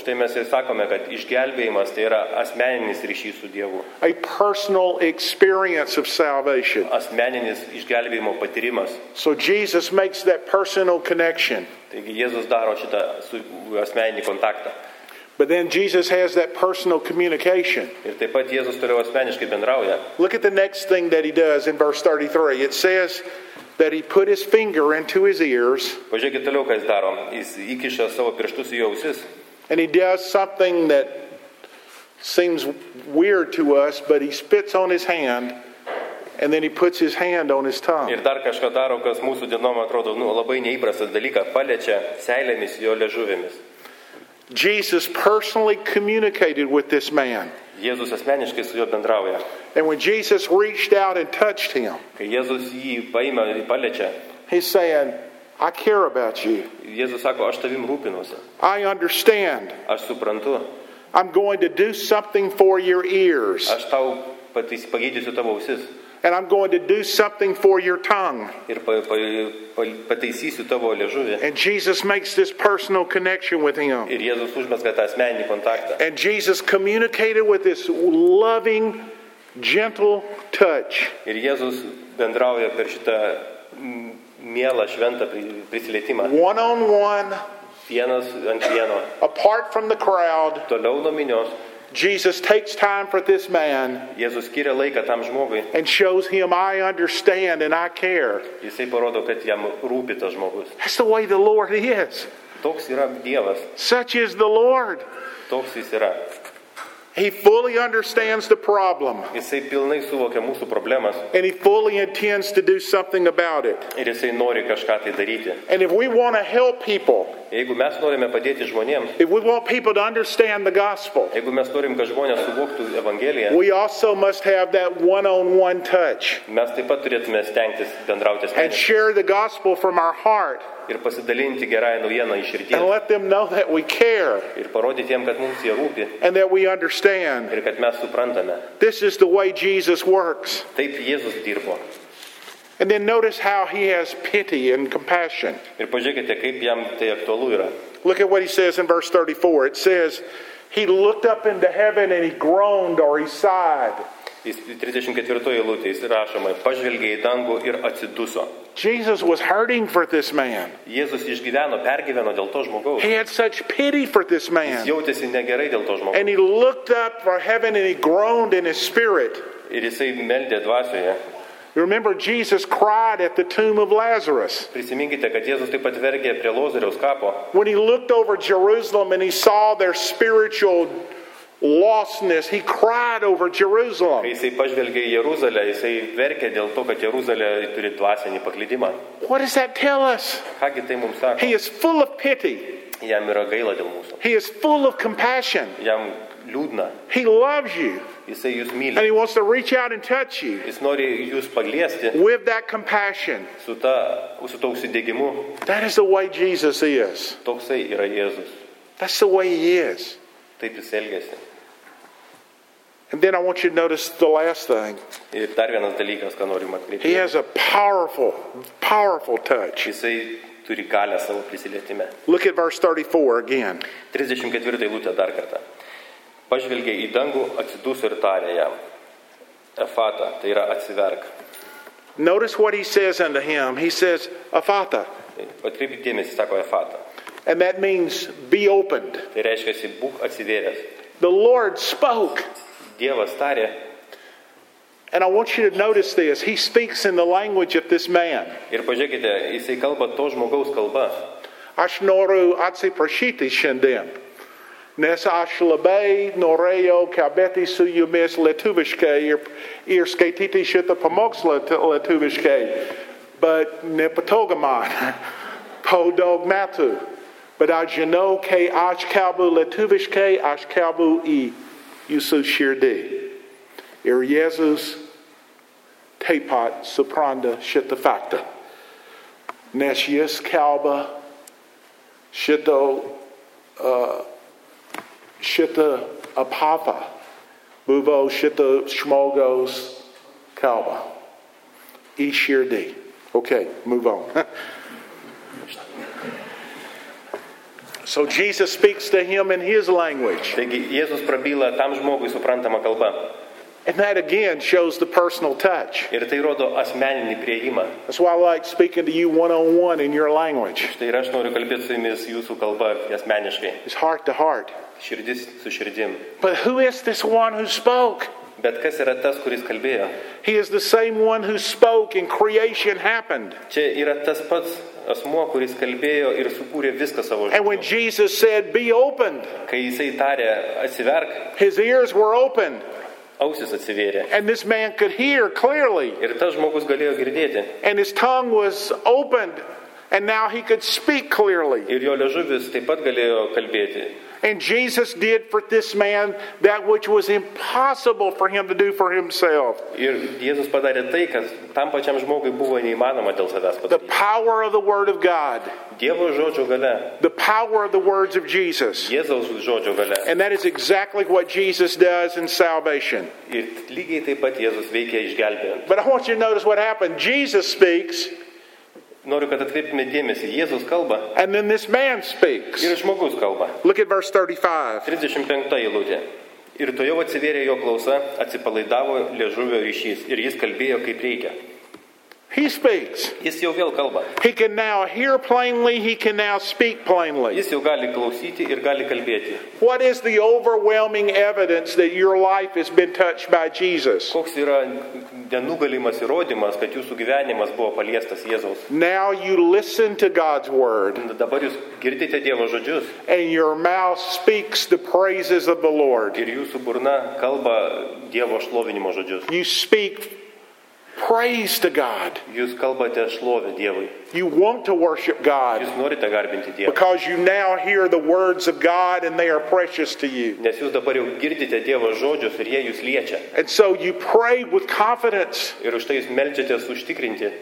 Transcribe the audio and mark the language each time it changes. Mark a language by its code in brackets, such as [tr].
[lt] Už tai mes ir sakome, kad išgelbėjimas tai yra asmeninis ryšys su Dievu. [en] A personal experience of salvation. [lt] Asmeninis išgelbėjimo patyrimas. [en] So Jesus makes that personal connection. [lt] Taigi Jėzus daro šitą asmeninį kontaktą. [en] But then Jesus has that personal communication. [lt] Ir taip pat Jėzus toliau asmeniškai bendrauja. [en] Look at the next thing that he does in verse 33. It says that he put his finger into his ears. [lt] Pažiūrėkite toliau, ką jis daro. Jis įkiša savo pirštus į jo ausis. [en] And he does something that seems weird to us, but he spits on his hand and then he puts his hand on his tongue. [lt] Ir dar kažką daro, kas mūsų dienom atrodo, labai neįprastas dalykas, paliečia seilėmis jo liežuvėmis. [en] Jesus personally communicated with this man. [lt] Jėzus asmeniškai su juo bendrauja. [en] And when Jesus reached out and touched him, [lt] kai Jėzus jį paima ir paliečia, [en] he's saying, I care about you. [lt] Jėzus sako, aš tavim rūpinuosi. [en] I understand. [lt] Aš suprantu. [en] I'm going to do something for your ears. [lt] Aš tau pagydysiu tavo ausis. [en] And I'm going to do something for your tongue. [lt] Ir pataisysiu tavo liežuvį. [en] And Jesus makes this personal connection with him. [lt] Ir Jėzus užmezga tą asmeninį kontaktą. [en] And Jesus communicated with this loving, gentle touch. [lt] Ir Jėzus bendrauja per šitą mielą, šventą prisilietimą. [en] One on one. [lt] Vienas ant vieno. [en] Apart from the crowd. [lt] Toliau nuo minios. [en] Jesus takes time for this man. [lt] Jėzus skiria laiką tam žmogui. [en] And shows him I understand and I care. [lt] Jisai parodo, kad jam rūpi tas žmogus. [en] That's the way the Lord is. [lt] Toks yra Dievas. [en] Such is the Lord. [lt] Toks jis yra. [en] He fully understands the problem. [lt] Jisai pilnai suvokia mūsų problemas. [en] And he fully intends to do something about it. [lt] Ir jisai nori kažką tai daryti. [en] And if we want to help people, [lt] jeigu mes norime padėti žmonėms, [en] if we want people to understand the gospel, [lt] jeigu mes norim, kad žmonės suvoktų evangeliją, [en] we also must have that one-on-one touch. [lt] Mes taip pat turėtume stengtis bendrauti asmeniškai. [en] And share the gospel from our heart. [lt] Ir pasidalinti gerąją naujieną iš širdies. [en] And let them know that we care. [lt] Ir parodyti jiem, kad mums jie rūpi. [en] And that we understand. [lt] Ir kad mes suprantame. [en] This is the way Jesus works. [lt] Taip Jėzus dirbo. [en] And then notice how he has pity and compassion. [lt] Ir pažiūrėkite, kaip jam tai aktualu yra. [en] Look at what he says in verse 34. It says, he looked up into heaven and he groaned or he sighed. [lt] 34 eilutė rašoma, pažvelgė į dangų ir atsiduso. [en] Jesus was hurting for this man. [lt] Jėzus išgyveno, pergyveno dėl to žmogaus. [en] He had such pity for this man. [lt] Jis jautėsi negerai dėl to žmogaus. [en] And he looked up for heaven and he groaned in his spirit. [lt] Ir jisai meldė dvasioje. [en] Remember, Jesus cried at the tomb of Lazarus. [lt] Prisiminkite, kad Jėzus taip pat verkė prie Lozoriaus kapo. [en] When he looked over Jerusalem and he saw their spiritual lostness, he cried over Jerusalem. [lt] Kai jisai pažvelgė į Jeruzalę, jisai verkė dėl to, kad Jeruzalė turi dvasinį paklydimą. [en] What does that tell us? [lt] Kągi tai mums sako? [en] He is full of pity. [lt] Jam yra gaila dėl mūsų. [en] He is full of compassion. [lt] Jam liūdna. [en] He loves you. [lt] Jisai jūs myli. [en] And he wants to reach out and touch you. [lt] Jis nori jūs paliesti. [en] With that compassion. [lt] Su tuo užsidegimu. [en] That is the way Jesus is. [lt] Toksai yra Jėzus. [en] That's the way he is. [lt] Taip jis elgiasi. [en] And then I want you to notice the last thing. [lt] Ir dar vienas dalykas, ką norim atkreipti. [en] He has a powerful touch. [lt] Jisai turi galę savo prisilietime. [en] Look at verse 34 again. [lt] 34 eilutė dar kartą. Pažvelgė į dangų, atsiduso ir tarė jam. Efata, tai yra atsiverk. [en] Notice what he says unto him. He says, Efata. [lt] Atkreipkite dėmesį, sako Efata. [en] And that means, be opened. [lt] Tai reiškia, būk atsivėręs. [en] The Lord spoke. [lt] Dievas tarė. [en] And I want you to notice this. He speaks in the language of this man. [lt] Ir pažiūrėkite, jisai kalba to žmogaus kalba. Aš noriu atsiprašyti šiandien. Nes aš labai norėjau kalbėti su jumis lietuviškai ir skaityti šitą pamokslą lietuviškai. But nepatogu man po daug metų. But aš žinau, kai aš kalbu lietuviškai, aš kalbu į jūsų širdį. Ir Jėzus taip pat supranta šitą faktą. Nes jis kalba šitą apapą buvo šitą šmogaus kalba. Į širdį. [en] Okay, move on. So Jesus speaks to him in his language. [lt] Taigi, Jėzus prabyla tam žmogui suprantama kalba. [en] And that again shows the personal touch. [lt] Ir tai rodo asmeninį priėjimą. [en] That's why I like speaking to you one-on-one in your language. [lt] Štai ir aš noriu kalbėti su jumis jūsų kalba asmeniškai. [en] It's heart to heart. [lt] Širdis su širdim. [en] But who is this one who spoke? [lt] Bet kas yra tas, kuris kalbėjo? [en] He is the same one who spoke and creation happened. [lt] Čia yra tas pats asmuo, kuris kalbėjo ir sukūrė viską savo žodžiu. [en] And when Jesus said, be opened. [lt] Kai jisai tarė, atsiverk. [en] His ears were opened. [lt] Ausis atsivėrė. [en] And this man could hear clearly. [lt] Ir tas žmogus galėjo girdėti. [en] And his tongue was opened and now he could speak clearly. [lt] Ir jo liežuvis taip pat galėjo kalbėti. [en] And Jesus did for this man that which was impossible for him to do for himself. [lt] Ir Jėzus padarė tai, kas tam pačiam žmogui buvo neįmanoma dėl savęs padaryti. [en] The power of the word of God. [lt] Dievo žodžio galia. [en] The power of the words of Jesus. [lt] Jėzaus žodžio galia. [en] And that is exactly what Jesus does in salvation. [lt] Ir lygiai taip pat Jėzus veikia išgelbėjant. [en] But I want you to notice what happened. Jesus speaks. [lt] Noriu, kad atkreiptume dėmesį. Jėzus kalba. [en] And then this man speaks. [lt] Ir žmogus kalba. [en] Look at verse 35. [lt] 35 eilutė. Ir to jau atsivėrė jo klausa, atsipalaidavo liežuvio ryšys. Ir jis kalbėjo kaip reikia. [en] He speaks. [lt] Jis jau vėl kalba. [en] He can now hear plainly, he can now speak plainly. [lt] Jis jau gali klausyti ir gali kalbėti. [en] What is the overwhelming evidence that your life has been touched by Jesus? [lt] Koks yra nenugalimas įrodymas, kad jūsų gyvenimas buvo paliestas Jėzaus? [en] Now you listen to God's word. [lt] Dabar jūs girdite Dievo žodžius. [en] And your mouth speaks the praises of the Lord. [lt] Ir jūsų burna kalba Dievo šlovinimo žodžius. [en] You speak praise to God. [lt] Jūs kalbate šlovę Dievui. [en] You want to worship God. [lt] Jūs norite garbinti Dievą. [en] Because you now hear the words of God and they are precious to you. [lt] Nes jūs dabar jau girdite Dievo žodžius ir jie jūs liečia. [en] And so you pray with confidence. [lt] Ir už tai jūs meldžiatės užtikrinti.